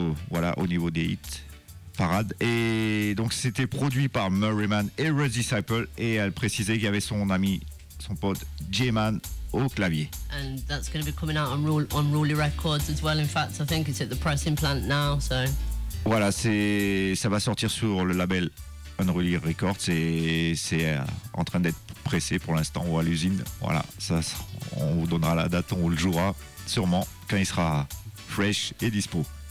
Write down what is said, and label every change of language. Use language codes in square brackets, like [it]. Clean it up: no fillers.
[fr] Voilà, au niveau des hits. Parade. Et donc c'était produit par Murryman et Red Disciple, et elle précisait qu'il y avait son ami, son pote J-Man au clavier. [en] And that's going to be coming out on Rolly Records as well. In fact, I think it's at the pressing plant now. So [fr] voilà, c'est ça va sortir sur le label Unruly Records. C'est en train d'être pressé pour l'instant ou à l'usine. Voilà, ça on vous donnera la date, on le jouera sûrement quand il sera fresh et dispo.